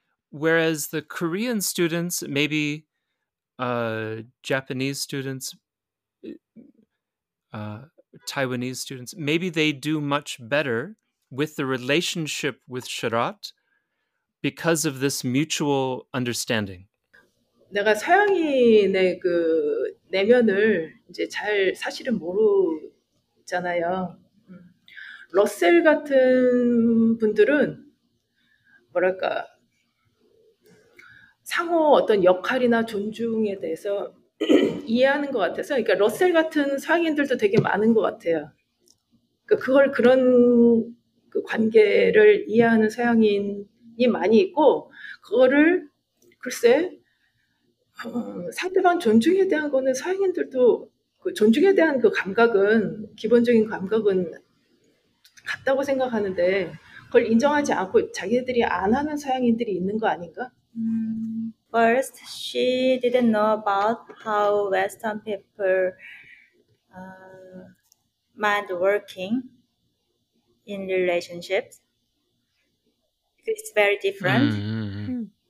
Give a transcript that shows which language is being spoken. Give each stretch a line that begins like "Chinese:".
English: Whereas the Korean students, maybe Japanese students, Taiwanese students, maybe they do much better with the relationship with Sharat because of this mutual understanding.
Korean: 내가 서양인의 그 내면을 이제 잘 사실은 모르잖아요. 러셀 같은 분들은 뭐랄까 상호 어떤 역할이나 존중에 대해서 이해하는 것 같아서 그러니까 러셀 같은 서양인들도 되게 많은 것 같아요. 그러니까 그걸 그런 그 관계를 이해하는 서양인이 많이 있고 그거를 글쎄 상대방 존중에 대한 거는 서양인들도 그 존중에 대한 그 감각은 기본적인 감각은 같다고 생각하는데 그걸 인정하지 않고 자기들이 안 하는 서양인들이 있는 거 아닌가?
English: First, she didn't know about how Western people mind working in relationships. It's very different.